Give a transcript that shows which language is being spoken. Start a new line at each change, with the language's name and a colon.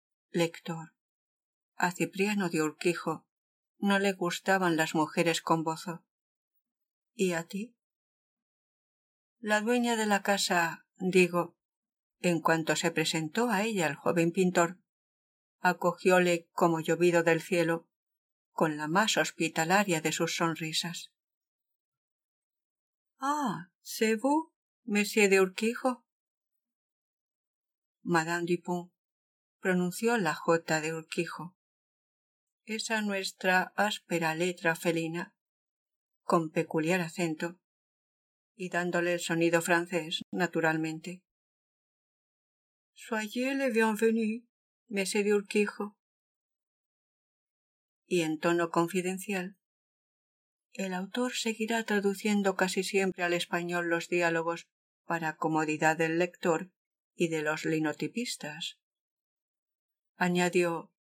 Spanish: Lector, a Cipriano de Urquijo no le gustaban las mujeres con bozo. ¿Y a ti? La dueña de la casa, digo, en cuanto se presentó a ella el joven pintor, acogióle como llovido del cielo, con la más hospitalaria de sus sonrisas.
French: —¡Ah, c'est vous, monsieur de Urquijo!
Spanish: Madame Dupont pronunció la jota de Urquijo. Esa nuestra áspera letra felina, con peculiar acento, y dándole el sonido francés, naturalmente.
French: —Soyez le bienvenu, monsieur de Urquijo.
Spanish: Y en tono confidencial, el autor seguirá traduciendo casi siempre al español los diálogos para comodidad del lector y de los linotipistas. Añadió,